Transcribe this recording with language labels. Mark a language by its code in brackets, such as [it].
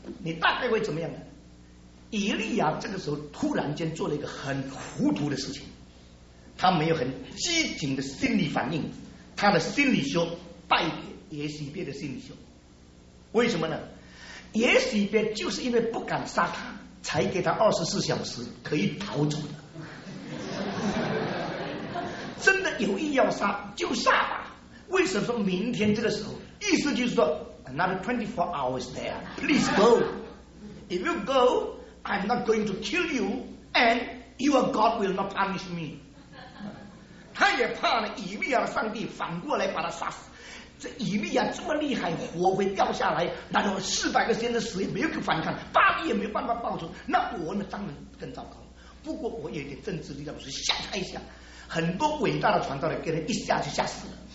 [zh] 你大概会怎么样呢？以利亚这个时候突然间做了一个很糊涂的事情，他没有很机警的心理反应，他的心理学败给耶洗别的心理学。为什么呢？耶洗别就是因为不敢杀他，才给他24小时可以逃走的。真的有意要杀就杀吧，为什么说明天这个时候？意思就是说 [en] another 24 hours there please go, if you go I'm not going to kill you and your God will not punish me。 [zh] 他也怕呢以利亚的上帝反过来把他杀死，这以利亚这么厉害，火会掉下来，然后400个先知死也没有去反抗，巴黎也没有办法报仇，那我呢当然更糟糕。不过我有点政治力量，我是吓他一下，很多伟大的传道人给他一下就吓死了。